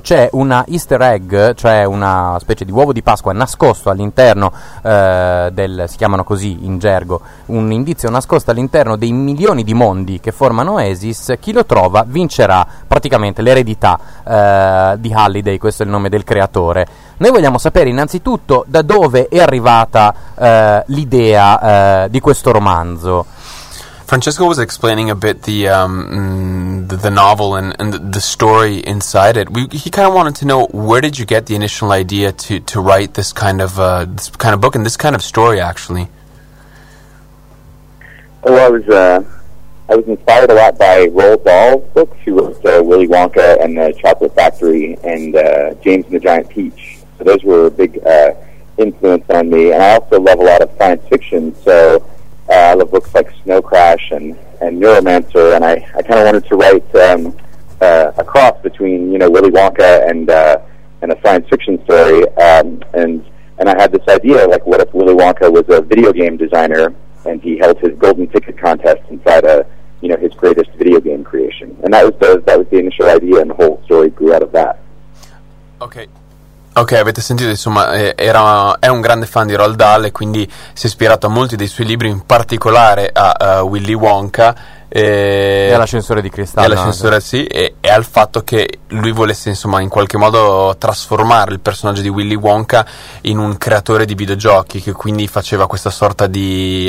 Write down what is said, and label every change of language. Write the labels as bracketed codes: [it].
[it] C'è una Easter egg, cioè una specie di uovo di Pasqua nascosto all'interno si chiamano così in gergo, un indizio nascosto all'interno dei milioni di mondi che formano Oasis. Chi lo trova vincerà praticamente l'eredità di Halliday, questo è il nome del creatore. Noi vogliamo sapere innanzitutto da dove è arrivata l'idea di questo romanzo. [en] Francesco was explaining a bit the novel and the story inside it. He kind of wanted to know, where did you get the initial idea to write this kind of book and this kind of story actually? I was inspired a lot by Roald Dahl's books. He wrote Willy Wonka and the Chocolate Factory and James and the Giant Peach. So those were a big influence on me. And I also love a lot of science fiction. So style of books like Snow Crash and Neuromancer, and I kind of wanted to write a cross between, you know, Willy Wonka and a science fiction story, and I had this idea, like, what if Willy Wonka was a video game designer and he held his golden ticket contest inside a, you know, his greatest video game creation. And that was the initial idea, and the whole story grew out of that. [it] Ok, avete sentito, insomma, è un grande fan di Roald Dahl e quindi si è ispirato a molti dei suoi libri, in particolare a Willy Wonka e all'ascensore di cristallo. All'ascensore, sì, e al fatto che lui volesse, insomma, in qualche modo trasformare il personaggio di Willy Wonka in un creatore di videogiochi, che quindi faceva questa sorta di...